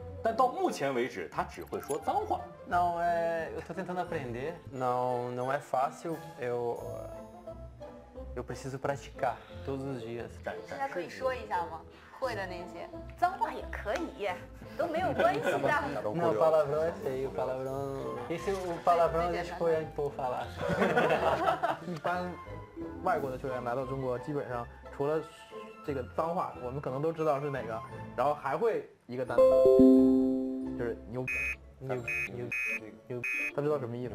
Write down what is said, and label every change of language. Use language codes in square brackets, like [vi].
[zh] 但到目前为止他只会说脏话。 [pt] Não é fácil, eu preciso praticar todos os dias. [zh] 现在可以说一下吗？会的那些脏话也可以，都没有关系的。 [pt] Não, palavrão é feio, palavrão. Esse o palavrão deixa o Yang Po falar. [zh] 一般外国的球员来到中国，基本上除了这个脏话，我们可能都知道是哪个，然后还会一个单词，就是牛逼。牛牛牛，他知道什么意思？